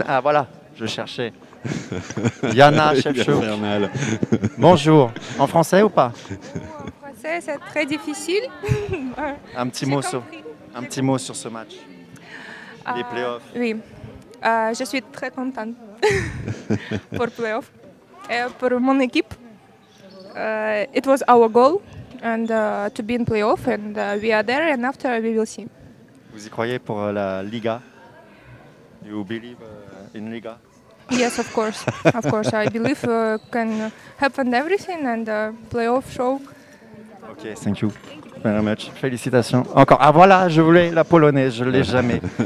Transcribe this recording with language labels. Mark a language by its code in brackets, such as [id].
[fr] Voilà, je cherchais. Yana Shevchuk. Bonjour. En français ou pas? C'est très difficile. un petit mot sur ce match. Les playoffs. Oui, je suis très contente pour playoffs et pour mon équipe. [en] It was our goal and to be in playoffs and we are there and after we will see. [fr] Vous y croyez pour la Liga? [en] You believe in Liga? Yes, of course. Of course, I believe can happen everything and playoff show. Ok, thank you. Very much. [fr] Félicitations. Encore. Ah voilà, je voulais la polonaise, je ne l'ai jamais.